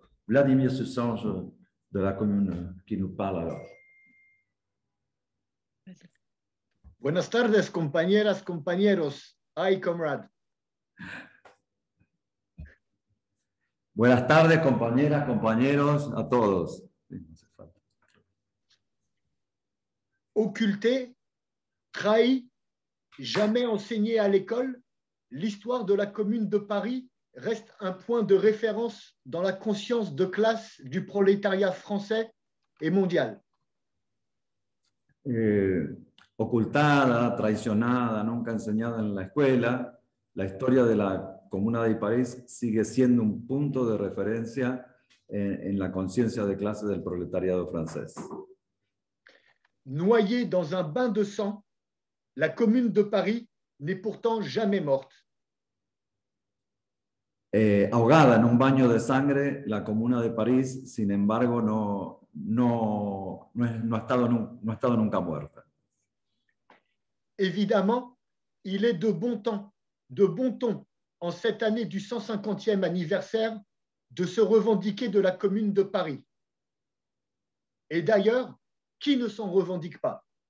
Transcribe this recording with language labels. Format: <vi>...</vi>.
<es>Vladimir Susán de la comuna que nos habla. Buenas tardes, compañeras, compañeros.</es> <en>Ay, comrade.</en> <es>Buenas tardes, compañeras, compañeros, a todos.</es> <fr>Occulté, trahi, jamais enseigné à l'école, l'histoire de la Commune de Paris reste un point de référence dans la conscience de classe du prolétariat français et mondial.</fr> <es>Ocultada, traicionada, nunca enseñada en la escuela, la historia de la Comuna de París sigue siendo un punto de referencia en la conciencia de clase del proletariado francés.</es> <fr>Noyée dans un bain de sang, la Commune de Paris n'est pourtant jamais morte.</fr> <es>Ahogada en un baño de sangre, la Comuna de Paris, sin embargo, no ha estado nunca muerta.</es> <fr>Évidemment, il est de bon ton, en cette année du 150e anniversaire, de se revendiquer de la Commune de Paris. Et d'ailleurs, qui ne s'en revendique pas?</fr>